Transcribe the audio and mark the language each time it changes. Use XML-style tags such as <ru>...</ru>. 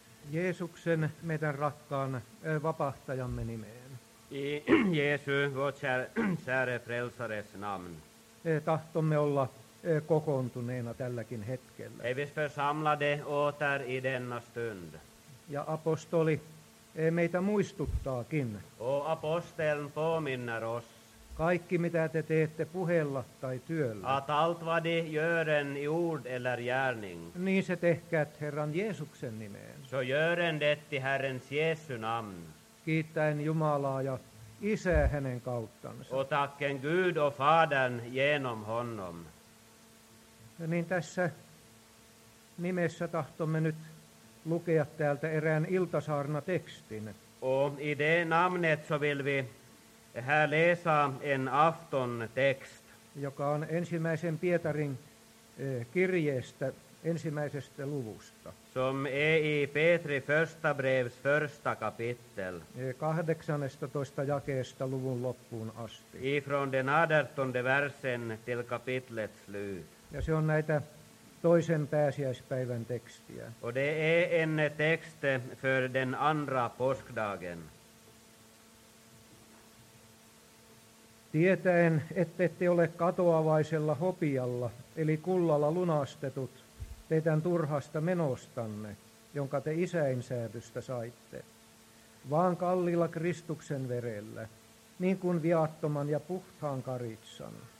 <fi>Jeesuksen, meidän rakkaan vapahtajamme nimeen.</fi> <sv>I Jeesu, vår käre frälsares namn.</sv> <fi>Tahtomme olla kokoontuneena tälläkin hetkellä.</fi> <sv>Är vi församlade åter i denna stund.</sv> <fi>Ja apostoli meitä muistuttaakin.</fi> <sv>O aposteln påminner oss.</sv> <fi>Kaikki mitä te teette puheella tai työllä.</fi> <sv>Att allt vad de gören i ord eller gärning.</sv> <fi>Niin se tehkäät Herran Jeesuksen nimeen.</fi> <sv>Så gören detti Herrens Jesu namn.</sv> <fi>Kiittäen Jumalaa ja Isää hänen kauttansa.</fi> <sv>Och tacken Gud och Fadern genom honom.</sv> <fi>Ja niin tässä nimessä tahtomme nyt lukea täältä erään iltasaarnatekstin.</fi> <sv>Och i det namnet så vill vi här läsa en aftontext.</sv> <fi>Joka on ensimmäisen Pietarin kirjeestä ensimmäisestä luvusta.</fi> <sv>Som är i Petri första brevs första kapitel.</sv> <fi>18 jakeesta luvun loppuun asti.</fi> <sv>Ifrån den 18 versen till kapitlet slut.</sv> <fi>Ja se on näitä toisen pääsiäispäivän tekstiä.</fi> <sv>Och det är en text för den andra påskdagen.</sv> <fi>Tietäen, ette ole katoavaisella hopialla, eli kullalla lunastetut, teidän turhasta menostanne, jonka te Isäin säädystä saitte, vaan kallilla Kristuksen verellä, niin kuin viattoman ja puhtaan karitsan,</fi>